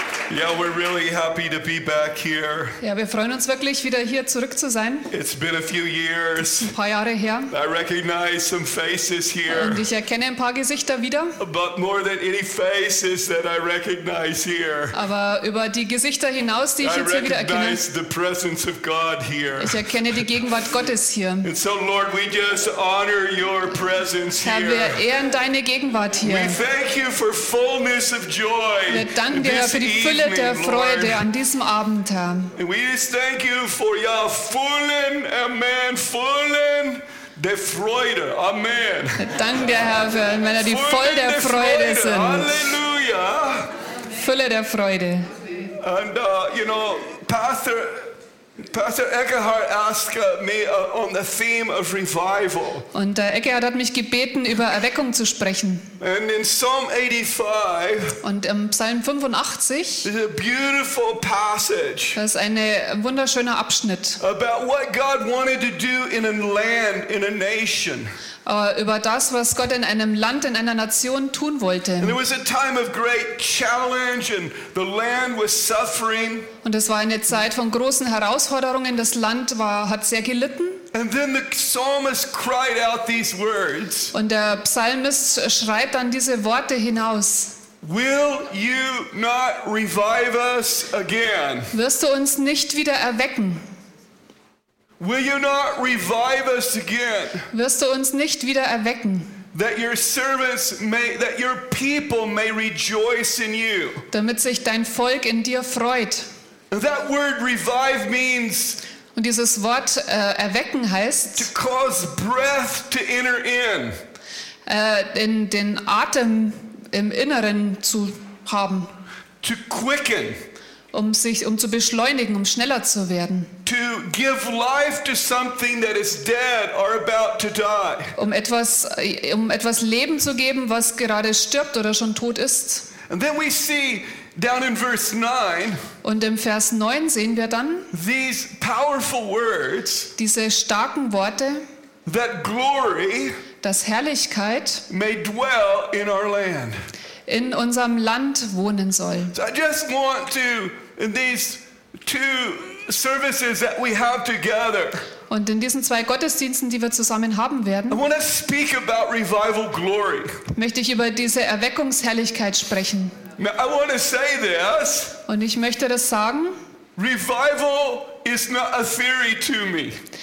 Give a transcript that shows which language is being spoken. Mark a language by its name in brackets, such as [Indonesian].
[English] Yeah, we're really happy to be back here. [German] Ja, wir freuen uns wirklich, wieder hier zurück zu sein. [English] It's been a few years. [German] Ein paar Jahre her. [English] I recognize some faces here. [German] Und ich erkenne ein paar Gesichter wieder. [English] But more than any faces that I recognize here. [German] Aber über die Gesichter hinaus, die ich jetzt hier wieder erkenne. [English] I recognize the presence of God here. [German] Ich erkenne die Gegenwart Gottes hier. [English] And so, Lord, we just honor your presence here. [German] Herr, wir ehren deine Gegenwart hier. [English] We thank you for fullness of joy. [German] Wir danken dir für die Fülle der Freude an diesem Abend, Herr. [English] And we just thank you for your fullen, amen, fullen [German] der Freude, [English] amen. [German] Danke dir, Herr, für wenn er die voll der Freude sind. Halleluja. Fülle der Freude. [English] And you know, Pastor Eckhart asked me on the theme of revival. [German] Und der Eckhart hat mich gebeten, über Erweckung zu sprechen. [English] And in Psalm 85. [German] Und im Psalm 85. [English] Is a beautiful passage. [German] Das ist ein wunderschöner Abschnitt. [English] About what God wanted to do in a land, in a nation. [German] Über das, was Gott in einem Land, in einer Nation tun wollte. [English] And there was a time of great challenge, and the land was suffering. [German] Und es war eine Zeit von großen Herausforderungen. Das Land hat sehr gelitten. [English] And then the psalmist cried out these words. [German] Und der Psalmist schreit dann diese Worte hinaus. [English] Will you not revive us again? [German] Wirst du uns nicht wieder erwecken? [English] Will you not revive us again? [German] Wirst du uns nicht wieder erwecken? [English] That your servants may, that your people may rejoice in you. [German] Damit sich dein Volk in dir freut. [English] That word revive means. [German] Und dieses Wort erwecken heißt. [English] To cause breath to enter in. [German] In den Atem im Inneren zu haben. [English] To quicken. [German] Um zu beschleunigen, um schneller zu werden. [English] To give life to something that is dead or about to die. [German] Um etwas Leben zu geben, was gerade stirbt oder schon tot ist. [English] And then we see down in verse 9. [German] Und im Vers 9 sehen wir dann [English] these powerful words. [German] Diese starken Worte. [English] That glory. [German] Dass Herrlichkeit. [English] May dwell in our land. [German] In unserem Land wohnen soll. [English] So I just want to, in these two services that we have together, [German] und in diesen zwei Gottesdiensten, die wir zusammen haben werden, [English] I want to speak about revival glory. [German] Möchte ich über diese Erweckungsherrlichkeit sprechen. [English] I want to say this, [German] und ich möchte das sagen, [English] revival is not a theory to me.